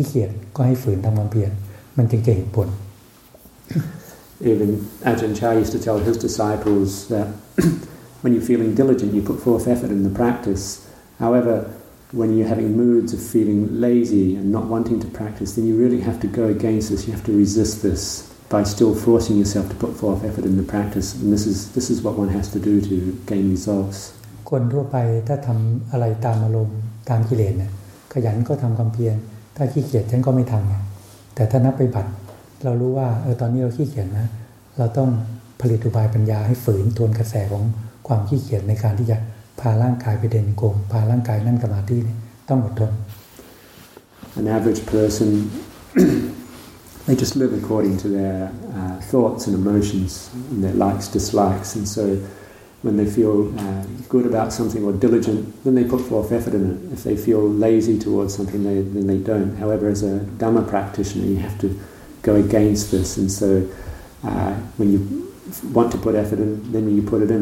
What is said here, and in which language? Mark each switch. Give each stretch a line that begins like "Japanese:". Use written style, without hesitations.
Thai: ขยันก็ทำความเพียรแต่ว่าเราเมื่อตกอยู่ในอารมณ์ที่ขี้เกียจเนี่ยท่านบอกให้ฝืนก็ทำความเพียรท่านบอกว่าขยันก็ทำความเพียรแต่ขี้เกียจก็ให้ฝืนทำความเพียรมันจริงๆผล
English: Even Ajahn Chah used to tell his disciples that when you're feeling diligent, you put forth effort in the practice. However, when you're having moods of feeling lazy and not wanting to practice, then you really have to go against this. You have to resist this by still forcing yourself to put forth effort in the practice. And this is what one has to do to gain results.
Thai: คนทั่วไปถ้าทำอะไรตามอารมณ์ตามกิเลสเนี่ยขยันก็ทำความเพียรถ้าขี้เกียจฉันก็ไม่ทำไงแต่ถ้านับไปบัตรเรารู้ว่าตอนนี้เราขี้เกียจนะเราต้องผลิตอุบายปัญญาให้ฝืนทวนกระแสของความขี้เกียจในการที่จะพาร่างกายไปเดินกลมพาร่างกายนั่งสมาธิต้องอดทน
English: An average person they just live according to their thoughts and emotions and their likes, dislikes, and so when they feel good about something or diligent, then they put forth effort in it. If they feel lazy towards something, then they don't. However, as a Dhamma practitioner, you have to go against this, and so when you want to put effort in, then you put it in.